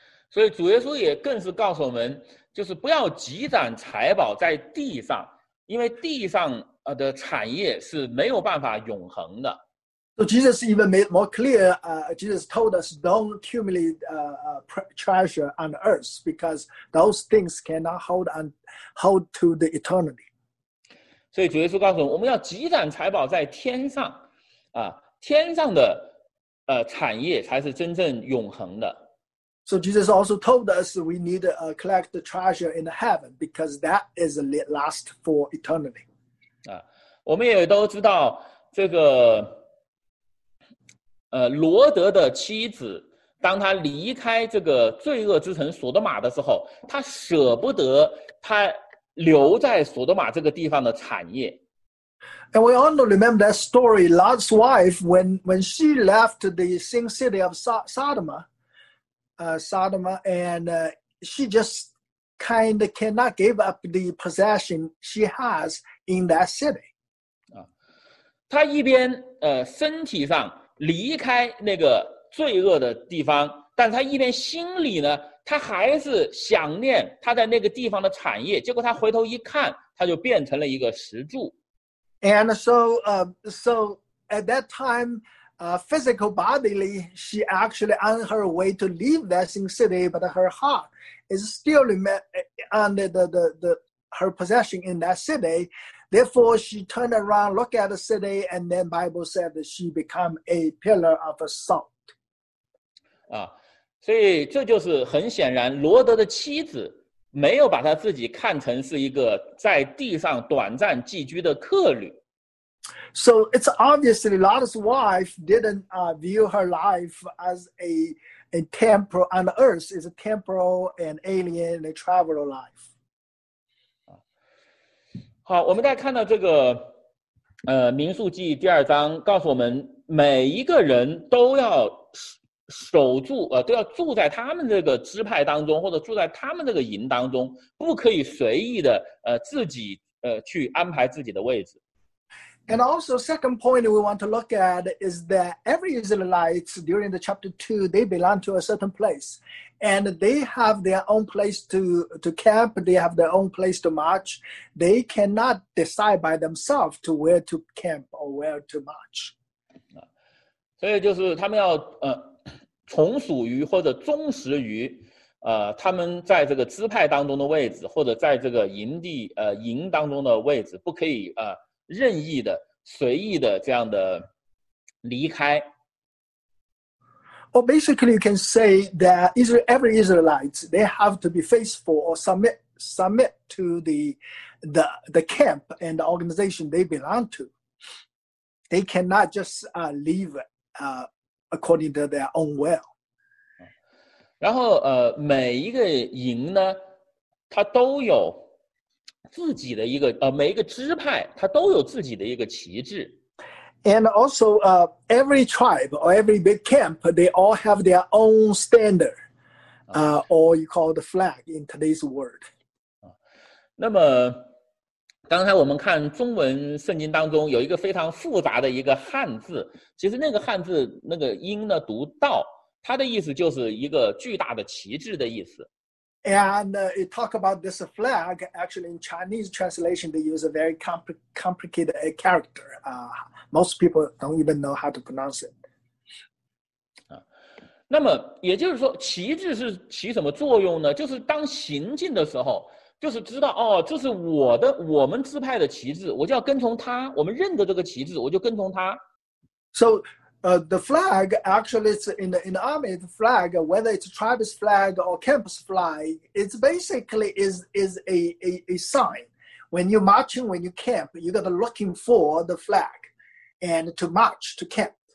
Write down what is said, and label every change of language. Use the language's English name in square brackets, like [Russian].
[Chinese] 所以主耶稣也更是告诉我们，就是不要积攒财宝在地上，因为地上的产业是没有办法永恒的。 [English] So Jesus even made more clear, Jesus told us, don't accumulate treasure on earth because those things cannot hold to the eternity. [Chinese] 所以主耶稣告诉我们，我们要积攒财宝在天上，天上的产业才是真正永恒的。 [English] So Jesus also told us we need to collect the treasure in heaven because that is a last for eternity. [Chinese] 我们也都知道这个罗德的妻子当他离开这个罪恶之城索多玛的时候，他舍不得他留在索多玛这个地方的产业。 [English] And we all remember that story, Lot's wife, when she left the sin city of Sodom, and she just kind of cannot give up the possession she has in that city. [Chinese] 他一边身体上离开那个罪恶的地方，但他一边心里呢，他还是想念他在那个地方的产业。结果他回头一看，他就变成了一个石柱。 [English] And so at that time, physical bodily, she actually on her way to leave that sin city, but her heart is still under her possession in that city. Therefore, she turned around, looked at the city, and then Bible said that she became a pillar of salt. [Chinese] 所以这就是很显然，罗德的妻子没有把他自己看成是一个在地上短暂寄居的客旅。 [English] So it's obviously Lot's wife didn't view her life as a temporal on earth. It's a temporal and alien and traveler life. [Chinese] 好，我们再看到这个民数记第二章告诉我们，每一个人都要守住都要住在他们这个支派当中，或者住在他们这个营当中，不可以随意的自己去安排自己的位置。 [English] And also second point we want to look at is that every Israelites during the chapter 2 they belong to a certain place and they have their own place to camp, they have their own place to march, they cannot decide by themselves to where to camp or where to march. [Chinese] 所以就是他们要从属于或者忠实于他们在这个支派当中的位置，或者在这个营地营当中的位置，不可以任意的随意的这样的离开。 [English] Well, basically, you can say that every Israelite, they have to be faithful or submit to the camp and the organization they belong to. They cannot just leave according to their own will. [Chinese] 然后每一个营呢，它都有自己的一个每一个支派，它都有自己的一个旗帜。 [English] And also, every tribe or every big camp, they all have their own standard, or you call the flag in today's word. [Chinese] 那么，刚才我们看中文圣经当中有一个非常复杂的一个汉字，其实那个汉字那个音呢读道，它的意思就是一个巨大的旗帜的意思。 [English] And it talk about this flag, actually in Chinese translation, they use a very complicated character. Most people don't even know how to pronounce it. [Chinese] 那么也就是说旗帜是起什么作用呢？就是当行进的时候，就是知道哦，这是我们支派的旗帜，我就要跟从他，我们认得这个旗帜，我就跟从他。 [English] So,the flag, actually, it's in the army, the flag, whether it's tribe's flag or camp's flag, it's basically is a sign. When you're marching, when you camp, you got to looking for the flag and to march to camp.